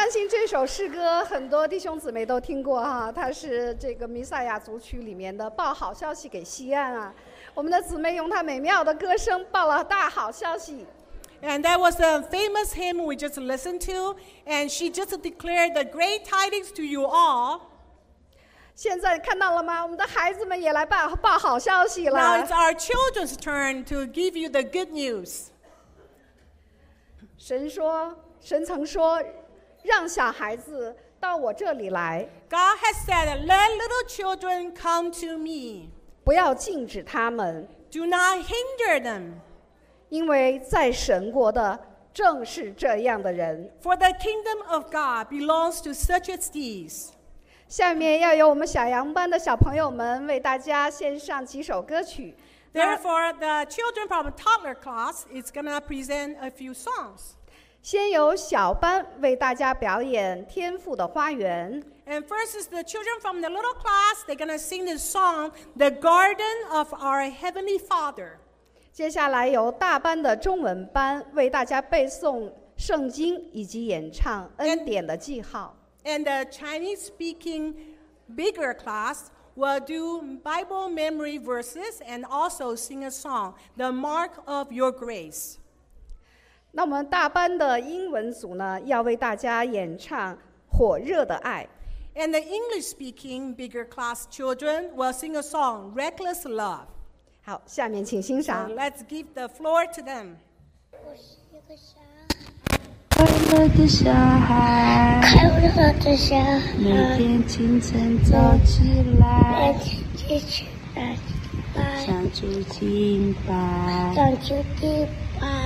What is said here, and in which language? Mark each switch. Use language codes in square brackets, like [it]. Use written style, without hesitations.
[zh] 这首诗歌很多弟兄姊妹都听过哈、啊，它是这个弥赛亚族曲里面的报好消息给锡安啊。我们的姊妹用她美妙的歌声报了大好消息。 [en] And that was a famous hymn we just listened to, and she just declared the great tidings to you all. [zh] 现在看到了吗？我们的孩子们也来报好消息了。 [en] Now it's our children's turn to give you the good news. [zh] 神曾说。让小孩子到我这里来。 [en] God has said, let little children come to me. [zh] 不要禁止他们。 [en] Do not hinder them. [zh] 因为在神国的正是这样的人。 [en] For the kingdom of God belongs to such as these. [zh] 下面要由我们小羊班的小朋友们为大家献上几首歌曲。 [en] Therefore, the children from the toddler class is going to present a few songs. [zh] 先由小班为大家表演《天父的花园》。 [en] And first is the children from the little class. They're going to sing the song, The Garden of Our Heavenly Father. [zh] 接下来由大班的中文班为大家背诵圣经以及演唱《恩典的记号》。 [en] And the Chinese-speaking bigger class will do Bible memory verses and also sing a song, The Mark of Your Grace. [zh] 那我们大班的英文组呢，要为大家演唱《火热的爱》。 [en] And the English-speaking bigger class children will sing a song, Reckless Love. [zh] 好，下面请欣赏。 [en] So、let's give the floor to them. [zh] 我是一个小孩，快乐的小孩，快乐的小孩，每天清晨早起来，每天清晨早起来，向主敬拜，向主敬拜。